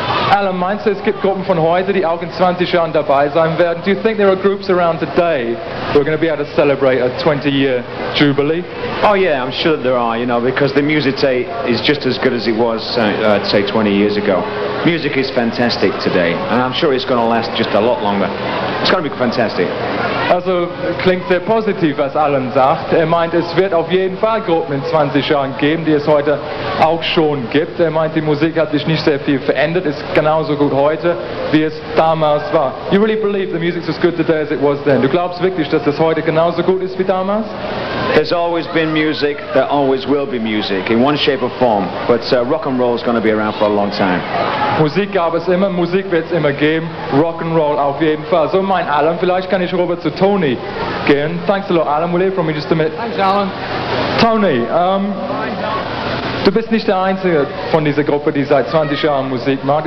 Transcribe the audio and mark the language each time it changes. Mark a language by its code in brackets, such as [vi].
[de] Allan, meinst du, es gibt Gruppen von heute, die auch in 20 Jahren dabei sein werden? [en] Do you think there are groups around today who are going to be able to celebrate a 20-year jubilee? Oh yeah, I'm sure there are, you know, because the music is just as good as it was, say, 20 years ago. Music is fantastic today, and I'm sure it's going to last just a lot longer. It's going to be fantastic. [de] Also, klingt sehr positiv, was Allan sagt. Meint, es wird auf jeden Fall Gruppen in 20 Jahren geben, die es heute auch schon gibt. Meint, die Musik hat sich nicht sehr viel verändert. Ist genauso gut heute, wie es damals war. [en] You really believe the music's as good today as it was then? [de] Du glaubst wirklich, dass es heute genauso gut ist wie damals? [en] There's always been music, there always will be music, in one shape or form. But rock and roll is going to be around for a long time. [de] Musik gab es immer, Musik wird es immer geben. Rock and roll auf jeden Fall. So meint Allan, vielleicht kann ich rüber zu Tony gehen. [en] Thanks a lot, Allan. We'll hear from you just a minute. Thanks, Allan. [de] Tony, du bist nicht der Einzige von dieser Gruppe, die seit 20 Jahren Musik macht.